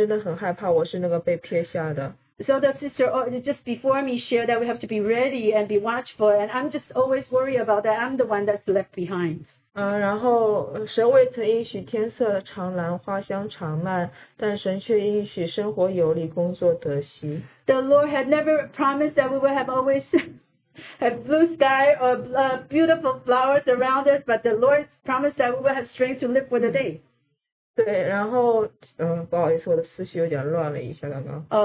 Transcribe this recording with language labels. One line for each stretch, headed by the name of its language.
Chinese: 然后刚刚姐妹弟兄姐妹们都讲到要预备好警醒，我真的在里面真的很害怕，我是那个被撇下的。
English: So the sister just before me shared that we have to be ready and be watchful, and I'm just always worried about that. I'm the one that's left behind.
Chinese: 然后神未曾应许天色长蓝花香长漫，但神却应许生活有力，工作得息。
English: The Lord had never promised that we would have always have blue sky or beautiful flowers around us, but the Lord promised that we will have strength to live for the day.
Chinese: 对，然后，不好意思，我的思绪有点乱了一下，刚刚。